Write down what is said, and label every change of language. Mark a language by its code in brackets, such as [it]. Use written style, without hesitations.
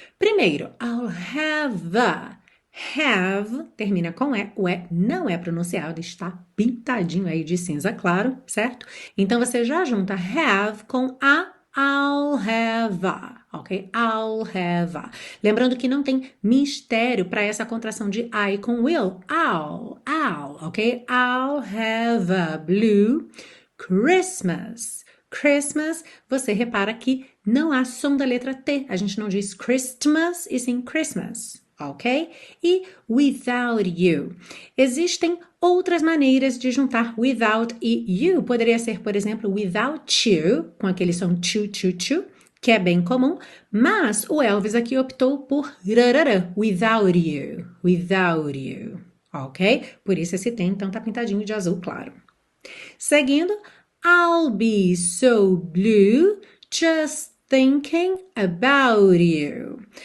[pt] Primeiro, I'll have a. Have termina com E, o E não é pronunciado, está pintadinho aí de cinza claro, certo? Então você já junta have com a, I'll have a, ok? I'll have a. Lembrando que não tem mistério para essa contração de I com will, I'll, ok? [en] I'll have a blue Christmas. [pt] Christmas, você repara que não há som da letra T, a gente não diz Christmas e sim Christmas. Ok? E without you. Existem outras maneiras de juntar without e you. Poderia ser, por exemplo, without you, com aquele som tchu-tchu-tchu, que é bem comum, mas o Elvis aqui optou por rarara, without you, without you. Ok? Por isso esse tem, então, tá pintadinho de azul claro. Seguindo, [en] I'll be so blue just thinking about you.